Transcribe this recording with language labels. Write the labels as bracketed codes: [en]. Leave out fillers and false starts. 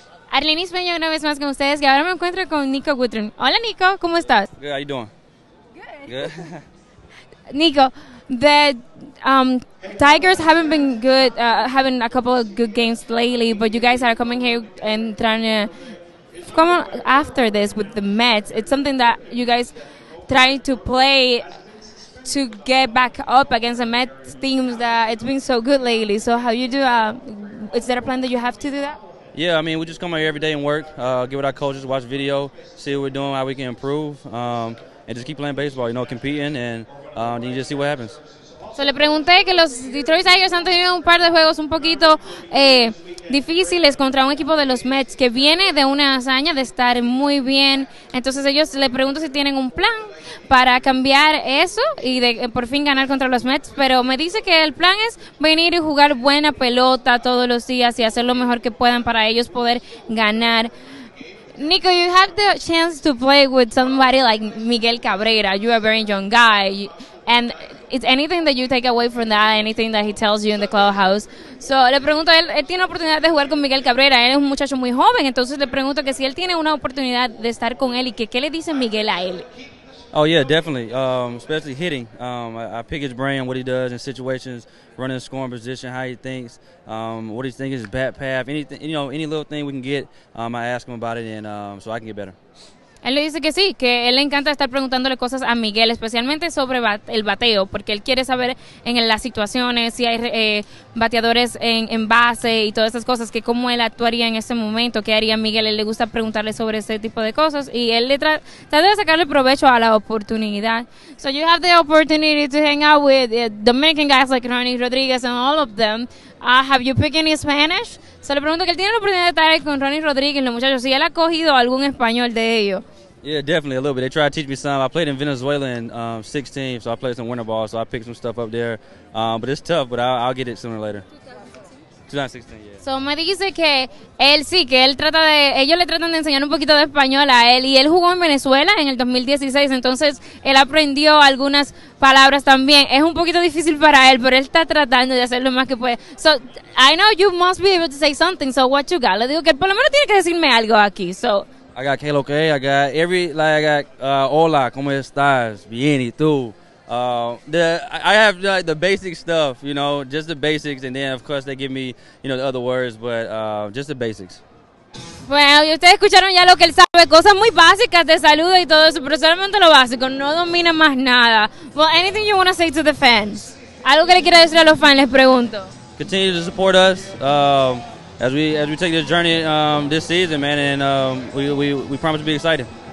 [es] Arlene Espeña, una vez más con ustedes, y ahora me encuentro con Nico Gutrun. Hola, Nico, ¿cómo estás? [en] Good, how you doing? Good. Nico, the Tigers haven't been good, having a couple of good games lately, but you guys are coming here and trying to come after this with the Mets. It's something that you guys trying to play to get back up against the Mets teams that it's been so good lately. So how you do, is there a plan that you have to do that? Yeah, I mean, we just come out here every day and work, get with our coaches, watch video, see what we're doing, how we can improve, and just keep playing baseball, you know, competing, and then you just see what happens. [es] So le pregunté que los Detroit Tigers han tenido un par de juegos un poquito difíciles contra un equipo de los Mets que viene de una hazaña de estar muy bien. Entonces ellos le pregunto si tienen un plan para cambiar eso y de por fin ganar contra los Mets, pero me dice que el plan es venir y jugar buena pelota todos los días y hacer lo mejor que puedan para ellos poder ganar. [en] Nico, you have the chance to play with somebody like Miguel Cabrera. You are a very young guy. And is anything that you take away from that, anything that he tells you in the clubhouse? [es] So, le pregunto, él tiene la oportunidad de jugar con Miguel Cabrera. Él es un muchacho muy joven, entonces le pregunto que si él tiene una oportunidad de estar con él y que qué le dice Miguel a él. [en] Oh, yeah, definitely. Especially hitting. I pick his brain, what he does in situations, running the scoring position, how he thinks, what he's thinking, his bat path, anything, you know, any little thing we can get, I ask him about it, and so I can get better. [es] Él le dice que sí, que él le encanta estar preguntándole cosas a Miguel, especialmente sobre el bateo, porque él quiere saber en las situaciones, si hay bateadores en base y todas esas cosas, que cómo él actuaría en ese momento, qué haría Miguel. Él le gusta preguntarle sobre ese tipo de cosas y él le trata de sacarle provecho a la oportunidad. [en] So you have the opportunity to hang out with Dominican guys like Ronnie Rodriguez and all of them. Have you picked any Spanish? [es] Se le pregunto que él tiene la oportunidad de estar con Ronnie Rodriguez, los muchachos, si él ha cogido algún español de ellos. [en] Yeah, definitely a little bit. They tried to teach me some. I played in Venezuela in 16, so I played some winter ball, so I picked some stuff up there. But it's tough, but I'll get it sooner or later. 2016, yeah. [es] So me dice que él sí, que él trata de, ellos le tratan de enseñar un poquito de español a él, y él jugó en Venezuela en el 2016, entonces él aprendió algunas palabras también. Es un poquito difícil para él, pero él está tratando de hacer lo más que puede. [en] So, I know you must be able to say something, so what you got? [es] Le digo que por lo menos tiene que decirme algo aquí, so. [en] I got [es] que lo que, [en] I got every, like, I got [es] hola, ¿cómo estás? Bien, ¿y tú? [en] I have like the basic stuff, you know, just the basics, and then of course they give me, you know, the other words, but just the basics. [es] Bueno, y ustedes escucharon ya lo que él sabe, cosas muy básicas de saludo y todo eso, pero solamente lo básico, no domina más nada. [en] Well, anything you want to say to the fans? [es] Algo que le quiera decir a los fans, les pregunto. [en] Continue to support us as we take this journey this season, man, and we promise to be excited.